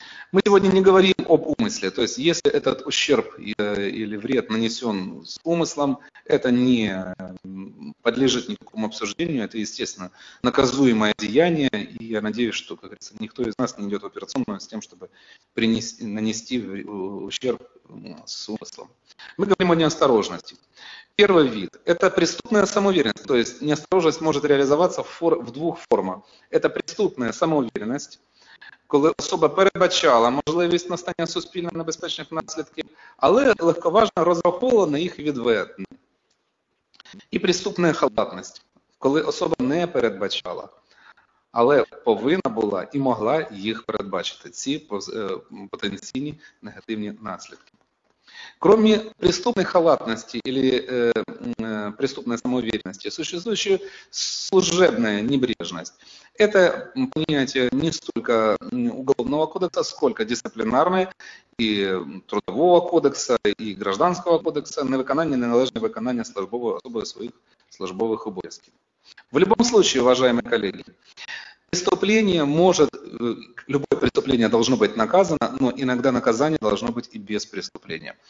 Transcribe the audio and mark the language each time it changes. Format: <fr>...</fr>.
<ru>Мы сегодня не говорим об умысле, то есть если этот ущерб или вред нанесен с умыслом, это не подлежит никакому обсуждению, это, естественно, наказуемое деяние, и я надеюсь, что, как говорится, никто из нас не идет в операционную с тем, чтобы нанести ущерб с умыслом. Мы говорим о неосторожности. Первый вид – это преступная самоуверенность, то есть неосторожность может реализоваться в двух формах. Это преступная самоуверенность,</ru> <uk>коли особа передбачала можливість настання суспільно небезпечних наслідків, але легковажно розраховувала на їх відведення. І преступна халатність, коли особа не передбачала, але повинна була і могла їх передбачити, ці потенційні негативні наслідки. Крім преступної халатності або преступної самовірності, существує служебна небрежність.</uk> <ru>Это понятие не столько уголовного кодекса, сколько дисциплинарное и трудового кодекса, и гражданского кодекса, невыполнение, неналежное выполнение службовой особой своих службовых обязанностей. В любом случае, уважаемые коллеги, преступление может, любое преступление должно быть наказано, но иногда наказание должно быть и без преступления.</ru>